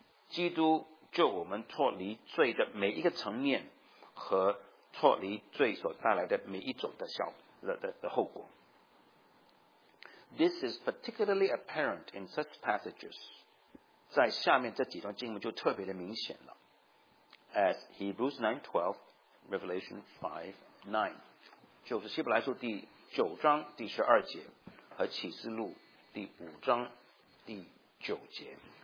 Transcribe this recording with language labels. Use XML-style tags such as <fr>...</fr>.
<zh>基督就我们脱离罪的每一个层面和脱离罪所带来的每一种的效果 的后果。</zh> <en>This is particularly apparent in such passages.</en> <zh>在下面这几段经文就特别的明显了。</zh> <en>As Hebrews 9:12, Revelation 5:9,</en> <zh>就是希伯来书第九章第十二节和启示录第五章第九节。</zh>